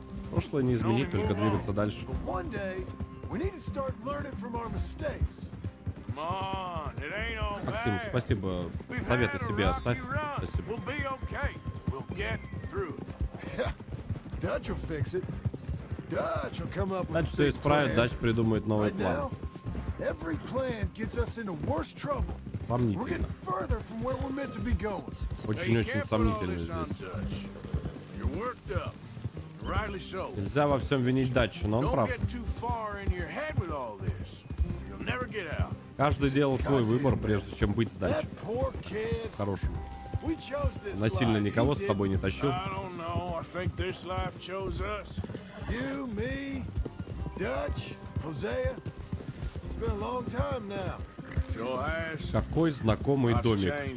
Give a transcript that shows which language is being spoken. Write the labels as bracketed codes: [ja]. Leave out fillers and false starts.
[ru] Прошлое не изменить, только двигаться дальше. [en] One day we need to start learning from our mistakes. Come on, it ain't all bad. [ru] Максим, спасибо. Советы себе оставь. Спасибо. [en] We'll be okay. We'll get through it. Dutch will fix it. Dutch will come up with a new plan. [ru] Dutch исправит, Dutch придумает новый план. [en] Every plan gets us into worse trouble. [ru] Сомнительно. [en] We're getting further from where we're meant to be going. [ru] Очень-очень сомнительно здесь. [en] You're worked up. Rightly so. [ru] Нельзя во всем винить Dutch, но он прав. [en] Don't get too far in your head with all this. You'll never get out. [ru] Каждый делал свой выбор, прежде чем быть с Dutch. Хорошим. Насильно никого с собой не тащил. [en] You, me, Dutch, Hosea. It's been a long time now. [ru] Какой знакомый домик.